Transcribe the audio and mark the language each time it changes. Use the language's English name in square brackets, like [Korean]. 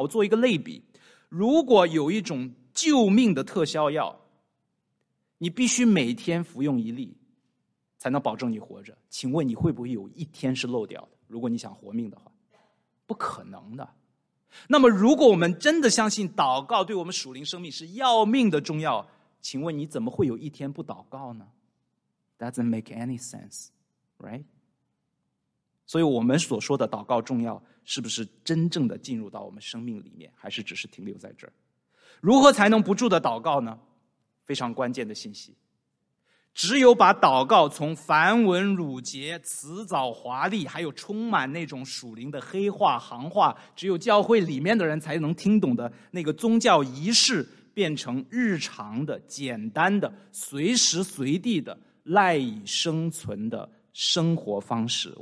[Chinese] 我做一个类比，如果有一种救命的特效药，你必须每天服用一粒才能保证你活着，请问你会不会有一天是漏掉的？如果你想活命的话，不可能的。那么如果我们真的相信祷告对我们属灵生命是要命的重要，请问你怎么会有一天不祷告呢？ [English] Doesn't make any sense, right? [Chinese] 所以我们所说的祷告重要，是不是真正的进入到我们生命里面，还是只是停留在这儿？如何才能不住的祷告呢？非常关键的信息，只有把祷告从繁文缛节、辞藻华丽，还有充满那种属灵的黑话行话，只有教会里面的人才能听懂的那个宗教仪式，变成日常的、简单的、随时随地的赖以生存的生活方式。